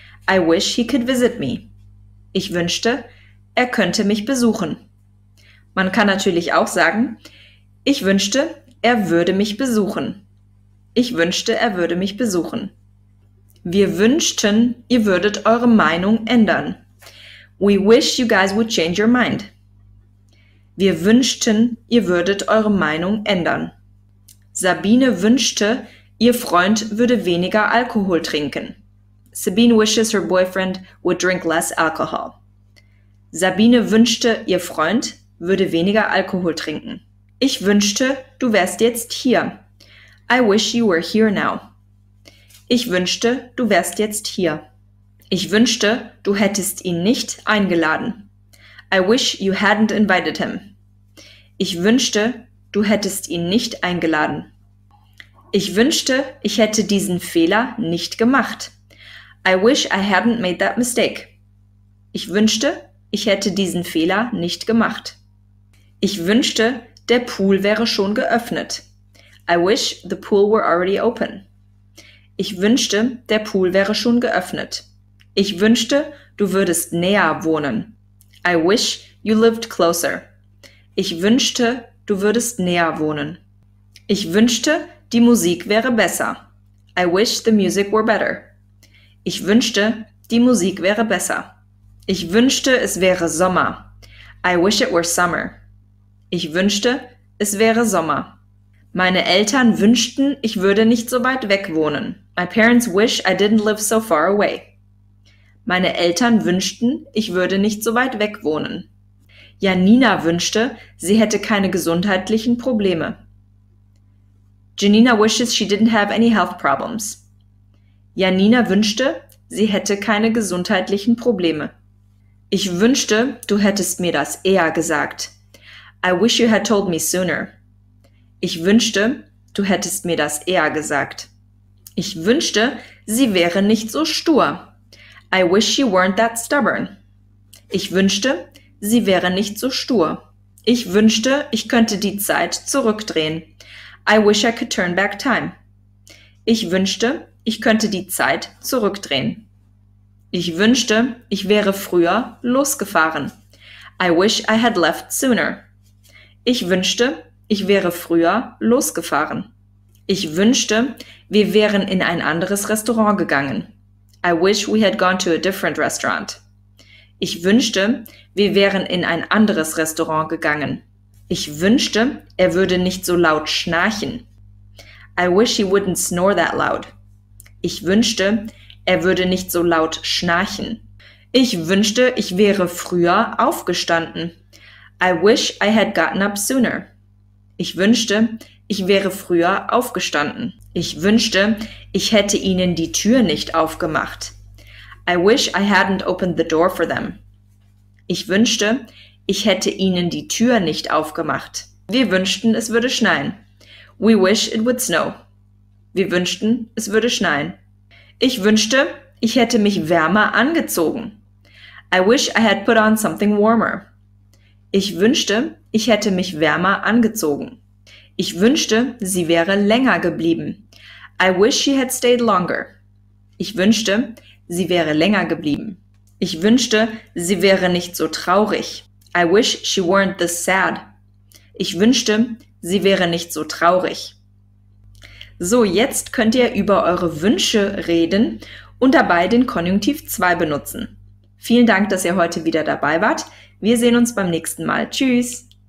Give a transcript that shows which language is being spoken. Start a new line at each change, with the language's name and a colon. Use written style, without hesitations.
English: I wish he could visit me.
German: Ich wünschte, er könnte mich besuchen. Man kann natürlich auch sagen, ich wünschte, er würde mich besuchen. Ich wünschte, er würde mich besuchen. Wir wünschten, ihr würdet eure Meinung ändern.
English: We wish you guys would change your mind.
German: Wir wünschten, ihr würdet eure Meinung ändern. Sabine wünschte, ihr Freund würde weniger Alkohol trinken.
English: Sabine wishes her boyfriend would drink less alcohol.
German: Sabine wünschte, ihr Freund würde weniger Alkohol trinken. Ich wünschte, du wärst jetzt hier.
English: I wish you were here now.
German: Ich wünschte, du wärst jetzt hier. Ich wünschte, du hättest ihn nicht eingeladen.
English: I wish you hadn't invited him.
German: Ich wünschte, du hättest ihn nicht eingeladen. Ich wünschte, ich hätte diesen Fehler nicht gemacht.
English: I wish I hadn't made that mistake.
German: Ich wünschte, ich hätte diesen Fehler nicht gemacht. Ich wünschte, der Pool wäre schon geöffnet.
English: I wish the pool were already open.
German: Ich wünschte, der Pool wäre schon geöffnet. Ich wünschte, du würdest näher wohnen.
English: I wish you lived closer.
German: Ich wünschte, du würdest näher wohnen. Ich wünschte, die Musik wäre besser.
English: I wish the music were better.
German: Ich wünschte, die Musik wäre besser. Ich wünschte, es wäre Sommer.
English: I wish it were summer.
German: Ich wünschte, es wäre Sommer. Meine Eltern wünschten, ich würde nicht so weit weg wohnen.
English: My parents wish I didn't live so far away.
German: Meine Eltern wünschten, ich würde nicht so weit weg wohnen. Janina wünschte, sie hätte keine gesundheitlichen Probleme.
English: Janina wishes she didn't have any health problems.
German: Janina wünschte, sie hätte keine gesundheitlichen Probleme. Ich wünschte, du hättest mir das eher gesagt.
English: I wish you had told me sooner.
German: Ich wünschte, du hättest mir das eher gesagt. Ich wünschte, sie wäre nicht so stur.
English: I wish she weren't that stubborn.
German: Ich wünschte, sie wäre nicht so stur. Ich wünschte, ich könnte die Zeit zurückdrehen.
English: I wish I could turn back time.
German: Ich wünschte, ich könnte die Zeit zurückdrehen. Ich wünschte, ich wäre früher losgefahren.
English: I wish I had left sooner.
German: Ich wünschte, ich wäre früher losgefahren. Ich wünschte, wir wären in ein anderes Restaurant gegangen.
English: I wish we had gone to a different restaurant.
German: Ich wünschte, wir wären in ein anderes Restaurant gegangen. Ich wünschte, er würde nicht so laut schnarchen.
English: I wish he wouldn't snore that loud.
German: Ich wünschte, er würde nicht so laut schnarchen. Ich wünschte, ich wäre früher aufgestanden.
English: I wish I had gotten up sooner.
German: Ich wünschte, ich wäre früher aufgestanden. Ich wünschte, ich hätte ihnen die Tür nicht aufgemacht.
English: I wish I hadn't opened the door for them.
German: Ich wünschte, ich hätte ihnen die Tür nicht aufgemacht. Wir wünschten, es würde schneien.
English: We wish it would snow.
German: Wir wünschten, es würde schneien. Ich wünschte, ich hätte mich wärmer angezogen.
English: I wish I had put on something warmer.
German: Ich wünschte, ich hätte mich wärmer angezogen. Ich wünschte, sie wäre länger geblieben.
English: I wish she had stayed longer.
German: Ich wünschte, sie wäre länger geblieben. Ich wünschte, sie wäre nicht so traurig.
English: I wish she weren't this sad.
German: Ich wünschte, sie wäre nicht so traurig. So, jetzt könnt ihr über eure Wünsche reden und dabei den Konjunktiv 2 benutzen. Vielen Dank, dass ihr heute wieder dabei wart. Wir sehen uns beim nächsten Mal. Tschüss!